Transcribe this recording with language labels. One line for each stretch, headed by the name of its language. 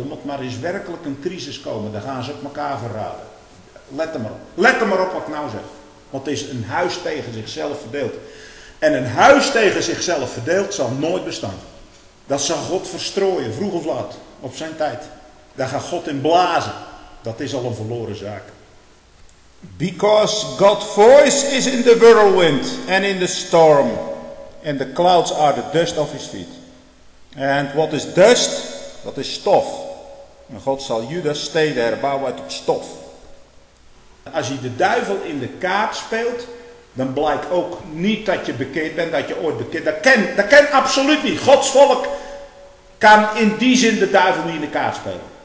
Dutch: Er moet maar eens werkelijk een crisis komen. Dan gaan ze op elkaar verraden. Let er maar op. Let er maar op wat ik nou zeg. Want het is een huis tegen zichzelf verdeeld. En een huis tegen zichzelf verdeeld zal nooit bestaan. Dat zal God verstrooien, vroeg of laat, op zijn tijd. Daar gaat God in blazen. Dat is al een verloren zaak.
English: Because God's voice is in the whirlwind and in the storm. And the clouds are the dust of his feet.
Dutch: En wat is dust? Dat is stof. En God zal Judas steden herbouwen uit het stof. Als je de duivel in de kaart speelt, dan blijkt ook niet dat je bekeerd bent, dat je ooit bekeerd bent. Dat ken absoluut niet. Gods volk kan in die zin de duivel niet in de kaart spelen.